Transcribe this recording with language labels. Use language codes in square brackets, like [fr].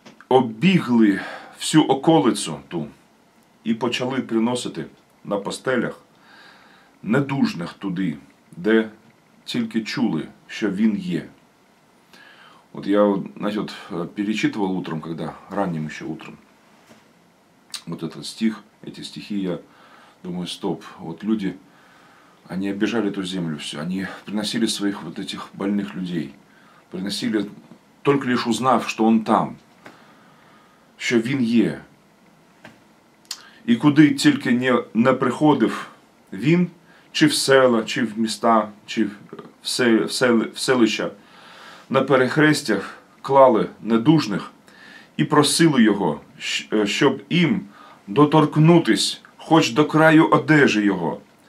[uk] Оббігли всю околицю ту і почали приносити на постелях недужних туди, де тільки чули, що він є. От я, перечитував утром, коли раннім ще утром. [ru] Вот этот стих, эти стихи, я думаю, стоп. Вот люди, они обижали эту землю всю. Они приносили своих вот этих больных людей. Приносили, только лишь узнав, что он там. [uk] Що він є. І куди тільки не приходив він, чи в села, чи в міста, чи в селища. На перехрестях клали недужних і просили його, щоб їм доторкнутись хоч до краю одежі його.